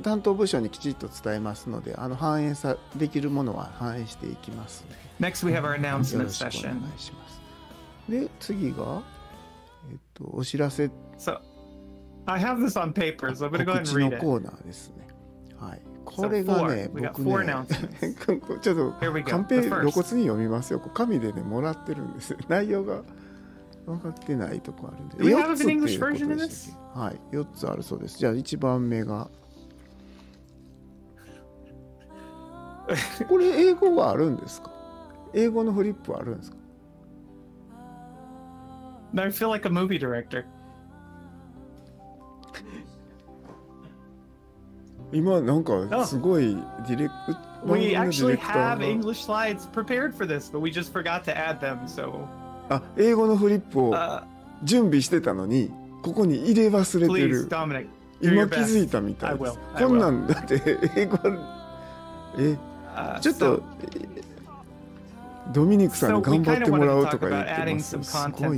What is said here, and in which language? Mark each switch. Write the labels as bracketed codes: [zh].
[ja] 担当部署にきちっと伝えますので、反映さできるものは反映していきます、ね。 [en] Next, we have our announcement session. [ja] よろしくお願いします。で、次がお知らせ。 [en] So, I have this on paper, so I'm going to go ahead and read it. [ja] 告知のコーナーですね。はい。これがね、僕ね、ちょっとカンペ露骨に読みますよ。紙でね、もらってるんです。内容が分かってないとこあるんで。 [en] Do we have an English version of this? [ja] はい、4つあるそうです。じゃあ1番目が。これ英語はあるんですか？英語のフリップはあるんですか？ [en] I feel like a movie director. [ja] 今なんかすごいディレクター [en] 。We actually have English slides prepared for this, but we just forgot to add them. So. [ja] あ、英語のフリップを準備してたのにここに入れ忘れてる。 [en] Please, Dominic, [ja] 今気づいたみたいです。こんなんだって英語。ちょっと、ドミニクさんに頑張ってもらおうとか言ってます。すごい。